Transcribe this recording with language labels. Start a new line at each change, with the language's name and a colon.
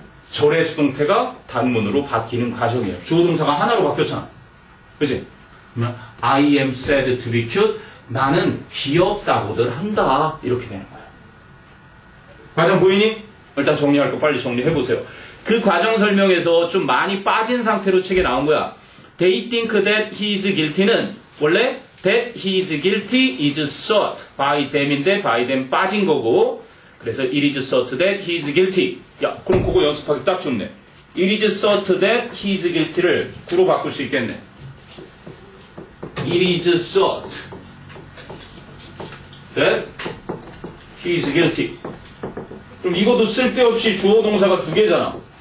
Korean: 절의 수동태가 단문으로 바뀌는 과정이에요. 주어동사가 하나로 바뀌었잖아. 그치?
English: I am sad to be cute.
Korean: 나는 귀엽다고들 한다. 이렇게 되는 거야. 과정 보이니? 일단 정리할 거 빨리 정리해보세요. 그 과정 설명에서 좀 많이 빠진 상태로 책에 나온 거야.
English: They think that he is guilty는
Korean: 원래
English: that he is guilty is thought by them인데 by them
Korean: 빠진 거고 그래서
English: it is thought that he is guilty.
Korean: 야, 그럼 그거 연습하기 딱 좋네.
English: It is thought that he is guilty를
Korean: 구로 바꿀 수 있겠네.
English: It is thought that he is guilty.
Korean: 그럼 이것도 쓸데없이 주어 동사가 두 개잖아.